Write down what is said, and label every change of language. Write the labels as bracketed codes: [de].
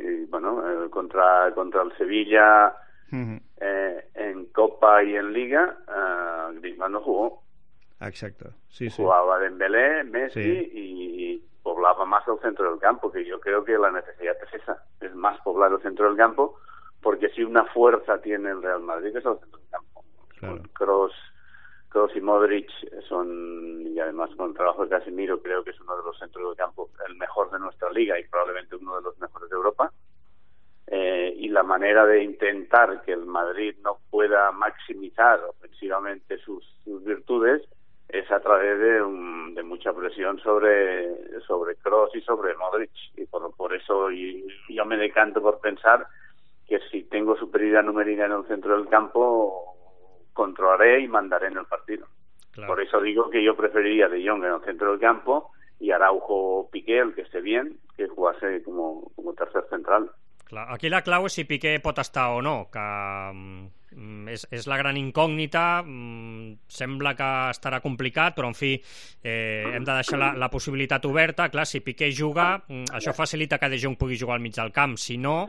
[es] Contra el Sevilla, en Copa i en Liga, Griezmann no jugó. [ca] Exacte. Sí, sí. Jugava Dembélé, Messi, sí. I poblava massa el centre del campo, que jo crec que la necessitat és esa, és més poblar el centre del campo, perquè si una força [es] tiene el Real Madrid [ca] és el centre del campo. [es] Claro. [ca] Kroos i Modric són, i [es] además con el trabajo de Casemiro, creo que es uno de los centros del campo el mejor de nuestra liga y probablemente uno de los mejores de Europa. Y la manera de intentar que el Madrid no pueda maximizar ofensivamente sus virtudes es a través de mucha presión sobre Kroos y sobre Modric, y por eso yo me decanto por pensar que si tengo superioridad numérica en el centro del campo controlaré y mandaré en el partido. Claro. Por eso digo que yo preferiría De Jong en el centro del campo y Araujo o Piqué, el que esté bien, que jugase como tercer central. [ca] Clar, aquí la clau és si Piqué pot estar o no, que és la gran incògnita. Sembla que estarà complicat, però en fi, hem de deixar la possibilitat oberta. Clar, si Piqué juga, això facilita que De Jong pugui jugar al mig del camp. Si no...